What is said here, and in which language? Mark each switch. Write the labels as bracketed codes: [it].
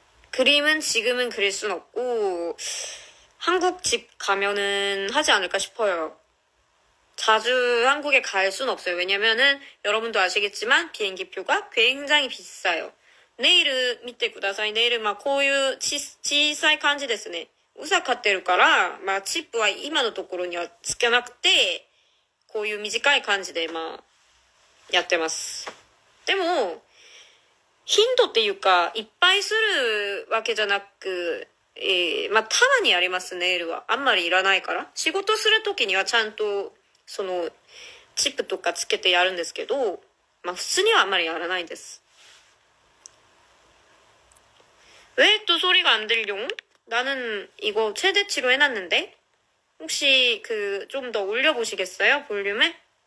[ko] 그림은 지금은 그릴 순 없고, 한국 집 가면은 하지 않을까 싶어요. 자주 한국에 갈순 없어요. 왜냐면은, 여러분도 아시겠지만, 비행기 표가 굉장히 비싸요. 내일을 [ja] 見てください。ネイルまあこういう小さい感じですね。ウサ買ってるから、まあチップは今のところにはつけなくて、こういう短い感じでまあやってます。でも、頻度っていうか、いっぱいするわけじゃなく、まあたまにあります、ネイルは。あんまりいらないから。仕事するときにはちゃんと、その、チップとかつけてやるんですけど、まあ普通にはあんまりやらないです。 [ko] 왜또 소리가 안 들려? 나는 이거 최대치로 해놨는데? 혹시 그좀더 올려보시겠어요? 볼륨에?